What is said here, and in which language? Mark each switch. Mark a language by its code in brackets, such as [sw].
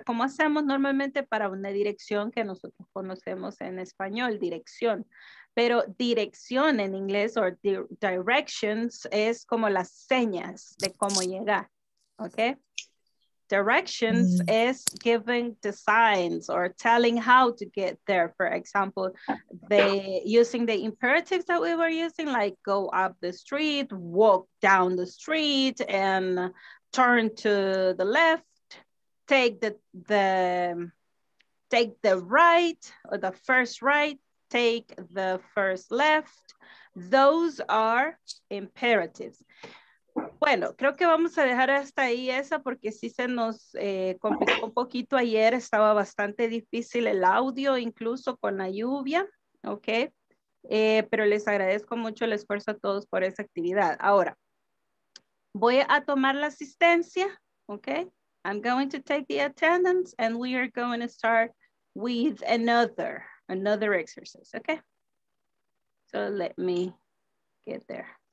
[es] ¿Cómo hacemos normalmente para una dirección que nosotros conocemos en español? Dirección. Pero dirección en inglés o directions es como las señas de cómo llegar. ¿Ok? [en] Directions is giving the signs or telling how to get there. For example, using the imperatives that we were using, like go up the street, walk down the street, and turn to the left, take the right, or the first right, take the first left. Those are imperatives. [es] Bueno, creo que vamos a dejar hasta ahí esa porque sí se nos complicó un poquito ayer. Estaba bastante difícil el audio, incluso con la lluvia. Ok, pero les agradezco mucho el esfuerzo a todos por esa actividad. Ahora, voy a tomar la asistencia. [en] Ok, I'm going to take the attendance and we are going to start with another exercise. Ok, so let me get there.